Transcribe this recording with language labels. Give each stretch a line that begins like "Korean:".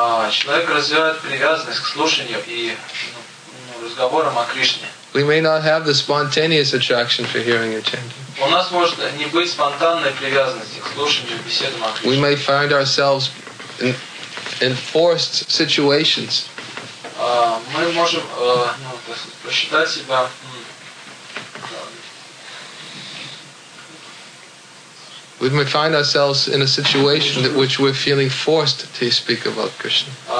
Russian: Человек развивает привязанность к слушанию и разговорам о Кришне.
English: We may not have the spontaneous attraction for hearing and chanting.
Russian: У нас может не быть спонтанной привязанности к слушанию и беседам о Кришне.
English: We may find ourselves in forced situations.
Russian: Мы можем посчитать себя
English: We may find ourselves in a situation that which we're feeling forced to speak about Krishna.